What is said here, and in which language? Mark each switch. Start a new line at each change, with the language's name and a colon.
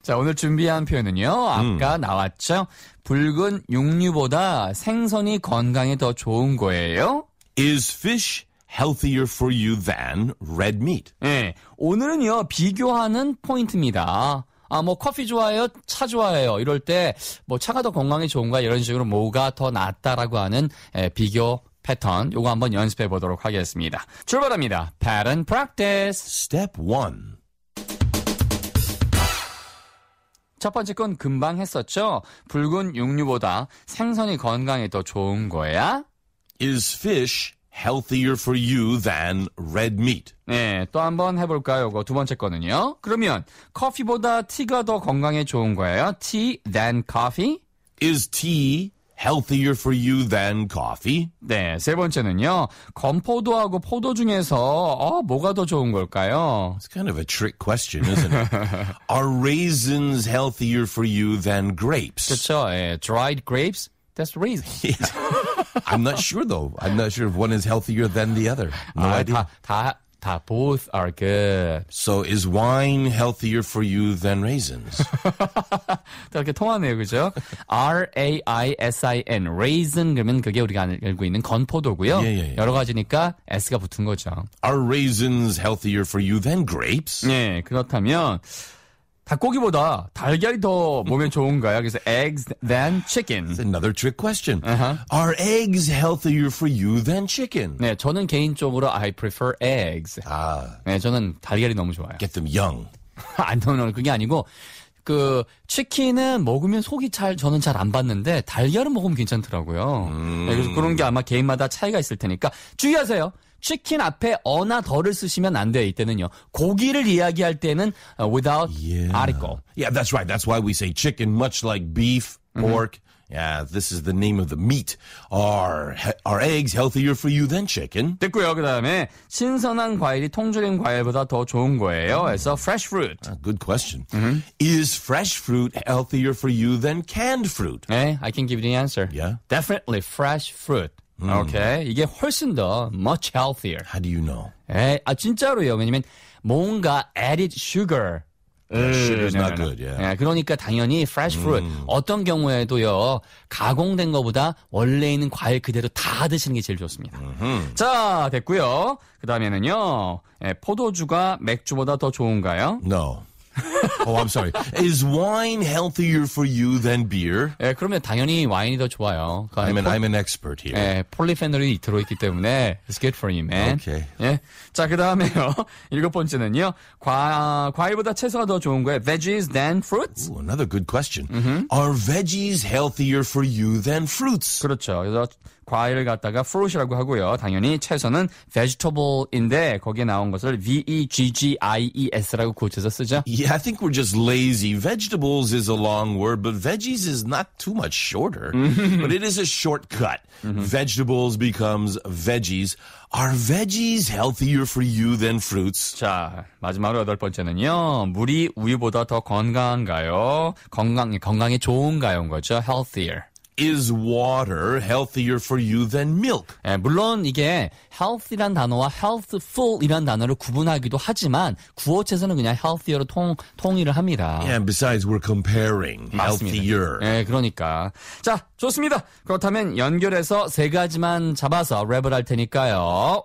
Korean: 자, 오늘 준비한 표현은요. 아까 나왔죠. 붉은 육류보다 생선이 건강에 더 좋은 거예요.
English: Is fish healthier for you than red meat?
Korean: 네, 오늘은요. 비교하는 포인트입니다. 아, 뭐 커피 좋아해요? 차 좋아해요? 이럴 때 뭐 차가 더 건강에 좋은가? 이런 식으로 뭐가 더 낫다라고 하는 비교 패턴. 요거 한번 연습해 보도록 하겠습니다. 출발합니다.
English: Pattern practice. Step 1.
Korean: 첫 번째 건 금방 했었죠? 붉은 육류보다 생선이 건강에 더 좋은 거야?
English: Is fish healthier for you than red meat?
Korean: 네, 또 한번 해볼까요? 두 번째 거는요? 그러면 커피보다 티가 더 건강에 좋은 거예요?
English: Tea than coffee? Is tea healthier for you than coffee?
Korean: 네, 세 번째는요? 건포도하고 포도 중에서 뭐가 더 좋은 걸까요?
English: It's kind of a trick question, isn't it? Are raisins healthier for you than grapes?
Korean: 그렇죠. 예,
English: dried grapes? That's raisins. Yeah. I'm not sure, though. I'm not sure if one is healthier than the other. No idea. Both are good. So is wine healthier for you than raisins?
Korean: 이렇게 통하네요, 그죠? R-A-I-S-I-N, raisin 그러면 그게 우리가 알고 있는 건포도고요.
English: Yeah, yeah, yeah.
Korean: 여러 가지니까 S가 붙은 거죠.
English: Are raisins healthier for you than grapes?
Korean: 네, 그렇다면 닭고기보다 달걀이 더 몸에 좋은가요? 그래서
English: eggs than chicken. That's another trick question. Uh-huh. Are eggs healthier for you than chicken?
Korean: 네, 저는 개인적으로
English: I prefer eggs.
Korean: 아, 네, 저는 달걀이 너무 좋아요.
English: Get them young.
Korean: 아니, 그게 아니고 그 치킨은 먹으면 속이 잘 저는 잘 안 받는데 달걀은 먹으면 괜찮더라고요. 네, 그래서 그런 게 아마 개인마다 차이가 있을 테니까 주의하세요. 치킨 앞에 어나 더를 쓰시면 안 돼요. 이때는요. 고기를 이야기할 때는
English: without yeah. article. Yeah, that's right. That's why we say chicken, much like beef, pork. Mm-hmm. Yeah, this is the name of the meat. Are eggs healthier for you than chicken?
Korean: 됐고요. 그 다음에 신선한 과일이 통조림 과일보다 더 좋은 거예요. 그래서
English: fresh fruit. Good question. Mm-hmm. Is fresh fruit healthier for you than canned fruit? Yeah, I can give you the answer. Yeah. Definitely fresh fruit. Okay.
Korean: 이게 훨씬 더
English: much healthier. How do you know?
Korean: 아 진짜로요. 왜냐면 뭔가
English: added sugar. Sugar is not good. Yeah.
Korean: 그러니까 당연히
English: fresh fruit
Korean: 어떤 경우에도요. 가공된 거보다 원래 있는 과일 그대로 다 드시는 게 제일 좋습니다. Mm-hmm. 자, 됐고요. 그다음에는요. 포도주가 맥주보다 더 좋은가요?
English: No. Oh, I'm sorry. Is wine healthier for you than beer?
Korean: 예, 그러면 당연히 와인이 더 좋아요.
English: I'm an expert here.
Korean: 예, 폴리페놀이 들어있기 때문에
English: it's good for you, man. Okay.
Korean: 예. 자, 그 다음에요. 일곱 번째는요. 과일보다 채소가 더 좋은 거예요.
English: Veggies than fruits? Ooh, another good question. Mm-hmm. Are veggies healthier for you than fruits?
Korean: 그렇죠. 그래서 과일을 갖다가 fruit이라고 하고요. 당연히 채소는 vegetable인데 거기에 나온 것을 V-E-G-G-I-E-S라고 고쳐서 쓰죠.
English: Yeah, I think we're just lazy. Vegetables is a long word, but veggies is not too much shorter. But it is a shortcut. Vegetables becomes veggies. Are veggies healthier for you than fruits?
Korean: 자, 마지막으로 여덟 번째는요. 물이 우유보다 더 건강한가요? 건강에 좋은가요인 거죠.
English: Healthier. Is water healthier for you than milk?
Korean: 예, 물론 이게 healthy란 단어와 healthful이란 단어를 구분하기도 하지만 구어체에서는 그냥 healthier로 통일을 합니다.
English: And besides, we're comparing healthier.
Korean: 예, 그러니까. 자, 좋습니다. 그렇다면 연결해서 세 가지만 잡아서 랩을 할 테니까요.